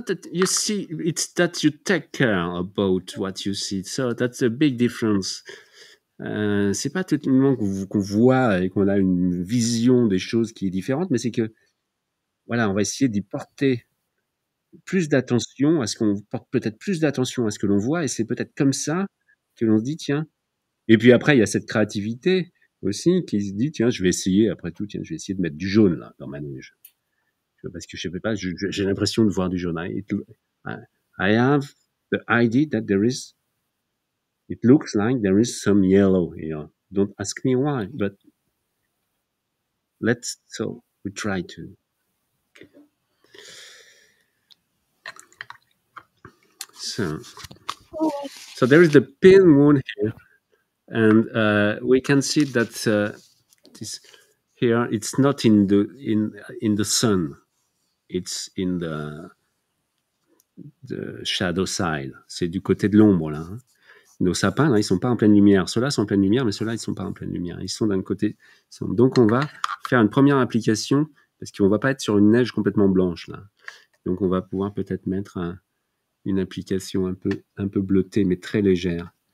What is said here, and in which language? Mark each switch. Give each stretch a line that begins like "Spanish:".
English: It's that you take care about what you see. So that's a big difference.
French: C'est pas tout le monde qu'on voit et qu'on a une vision des choses qui est différente, mais c'est que, voilà, on va essayer d'y porter plus d'attention à ce qu'on porte, peut-être plus d'attention à ce que l'on voit, et c'est peut-être comme ça que l'on se dit, tiens. Et puis après, il y a cette créativité aussi, qui se dit, tiens, je vais essayer, après tout, tiens, je vais essayer de mettre du jaune, là, dans ma neige. Parce que je sais pas, j'ai l'impression de voir du jaune.
English: I have the idea that it looks like there is some yellow here. Don't ask me why, but we try to. So there is the pale moon here. And we can see that this here, it's not in the sun, it's in the
French: de
English: shadow side.
French: C'est du côté de l'ombre, là. Nos sapins, là, ils ne sont pas en pleine lumière. Ceux-là sont en pleine lumière, mais ceux-là, ils ne sont pas en pleine lumière. Ils sont d'un côté. Donc, on va faire une première application, parce qu'on ne va pas être sur une neige complètement blanche, là. Donc, on va pouvoir peut-être mettre une application un peu bleutée, mais très légère.